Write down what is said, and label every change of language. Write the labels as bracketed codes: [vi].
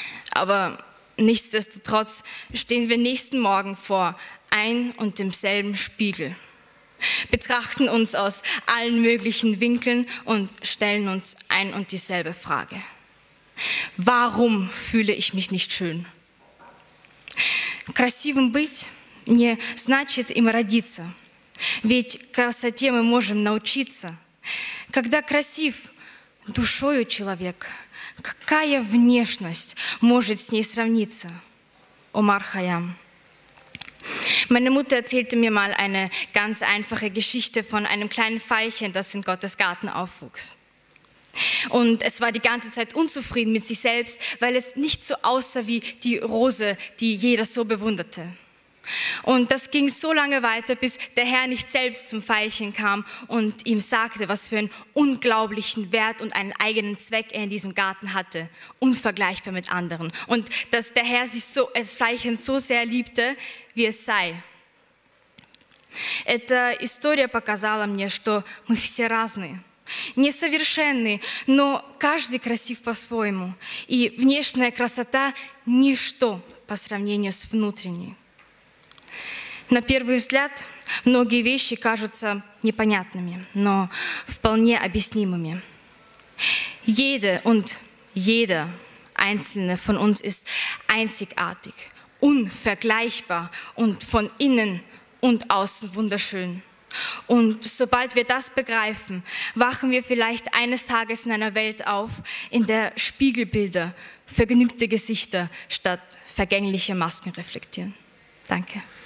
[de] Aber nichtsdestotrotz stehen wir nächsten Morgen vor ein und demselben Spiegel, betrachten uns aus allen möglichen Winkeln und stellen uns ein und dieselbe Frage. Warum fühle ich mich nicht schön? [ru] Красивым быть не значит им родиться, ведь красоте мы можем научиться. Когда красив душою человек, какая внешность может с ней сравниться? Омар Хайям. [de] Meine Mutter erzählte mir mal eine ganz einfache Geschichte von einem kleinen Veilchen, das in Gottes Garten aufwuchs. Und es war die ganze Zeit unzufrieden mit sich selbst, weil es nicht so aussah wie die Rose, die jeder so bewunderte. Und das ging so lange weiter, bis der Herr nicht selbst zum Veilchen kam und ihm sagte, was für einen unglaublichen Wert und einen eigenen Zweck er in diesem Garten hatte, unvergleichbar mit anderen. Und dass der Herr sich so, das Veilchen so sehr liebte, wie es sei. [ru] Эта история показала мне, что мы все разные. Несовершенный, но каждый красив по-своему, и внешняя красота – ничто по сравнению с внутренней. На первый взгляд многие вещи кажутся непонятными, но вполне объяснимыми. [de] Jede und jeder einzelne von uns ist einzigartig, unvergleichbar und von innen und außen wunderschön. Und sobald wir das begreifen, wachen wir vielleicht eines Tages in einer Welt auf, in der Spiegelbilder, vergnügte Gesichter statt vergängliche Masken reflektieren. Danke.